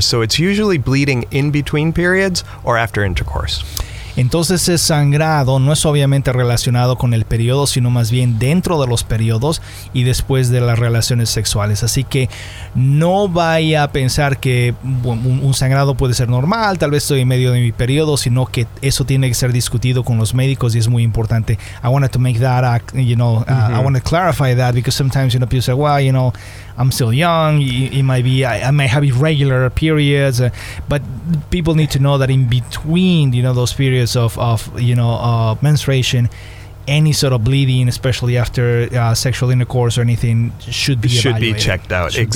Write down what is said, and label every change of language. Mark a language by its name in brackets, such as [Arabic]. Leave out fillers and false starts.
[English] So it's usually bleeding in between periods or after intercourse. [Spanish] Entonces ese sangrado no es obviamente relacionado con el periodo, sino más bien dentro de los periodos y después de las relaciones sexuales. Así que no vaya a pensar que un sangrado puede ser normal, tal vez estoy en medio de mi periodo, sino que eso tiene que ser discutido con los médicos, y es muy importante. [English] I wanted to make that, I wanted to clarify that, because sometimes, you know, people say, well, you know, I'm still young, I may have irregular periods, but people need to know that in between, you know, those periods of menstruation, any sort of bleeding, especially after sexual intercourse or anything, should be checked out.